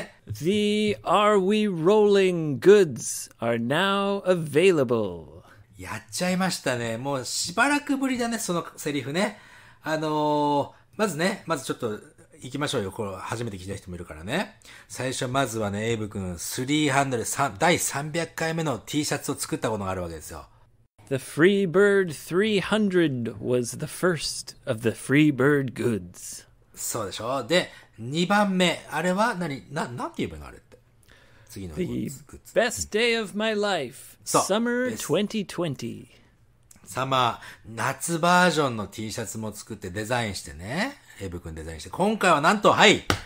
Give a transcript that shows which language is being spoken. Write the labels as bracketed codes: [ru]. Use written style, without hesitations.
[en] The Are We Rolling Goods are now available. [ja] やっちゃいましたね。もうしばらくぶりだね、そのセリフね。まずね、まずちょっと行きましょうよ。これ初めて聞いた人もいるからね。最初まずはね、エイブ君、第300回目の T シャツを作ったことがあるわけですよ。 [en] The Free Bird 300 was the first of the Free Bird goods. [ja] そうでしょ。で、2番目、あれは何？なんて言えばいいのあれって。次のグッズ。 [en] The best day of my life. Summer 2020. [ja] さま、夏バージョンの T シャツも作ってデザインしてね。エブ君デザインして。今回はなんと、はい